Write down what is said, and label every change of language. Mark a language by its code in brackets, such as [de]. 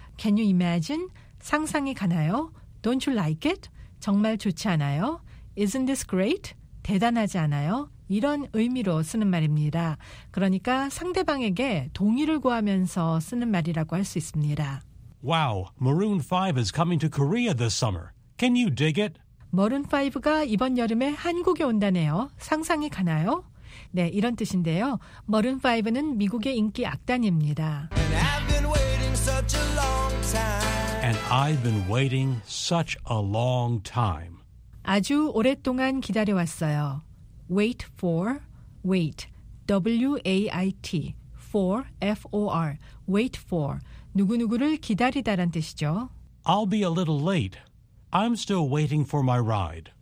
[en] Can you imagine? [ko] 상상이 가나요? [en] Don't you like it? [ko] 정말 좋지 않아요? [en] Isn't this great? [ko] 대단하지 않아요? 이런 의미로 쓰는 말입니다. 그러니까 상대방에게 동의를 구하면서 쓰는 말이라고 할 수 있습니다. [en] Wow, Maroon 5 is coming to Korea this summer. Can you dig it? [ko] Maroon 5가 이번 여름에 한국에 온다네요. 상상이 가나요? 네, 이런 뜻인데요. Maroon 5는 미국의 인기 악단입니다. [en] And I've been waiting such a long time. And I've been waiting such a long time. [ko] 아주 오랫동안 기다려왔어요. [en] Wait for, wait, W-A-I-T, for, F-O-R, wait for. [ko] 누구누구를 기다리다란 뜻이죠. [en] I'll be a little late. I'm still waiting for my ride.